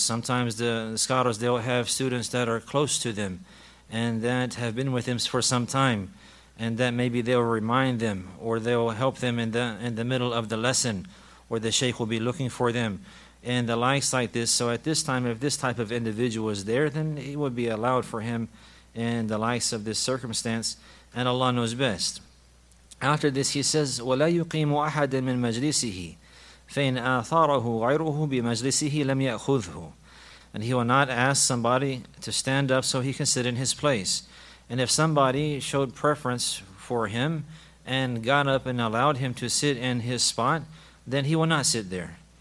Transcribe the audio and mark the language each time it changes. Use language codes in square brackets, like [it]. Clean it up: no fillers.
[en] Sometimes the scholars, they'll have students that are close to them and that have been with them for some time, and that maybe they'll remind them, or they'll help them in the middle of the lesson, or the sheikh will be looking for them, and the likes like this. So at this time, if this type of individual is there, then it would be allowed for him in the likes of this circumstance, and Allah knows best. After this, he says, [ar] وَلَا يُقِيمُ أَحَدًا مِنْ مَجْلِسِهِ فَإِنْ آثَارَهُ غَيْرُهُ بِمَجْلِسِهِ لَمْ يَأْخُذْهُ. [en] And he will not ask somebody to stand up so he can sit in his place. And if somebody showed preference for him and got up and allowed him to sit in his spot, then he will not sit there.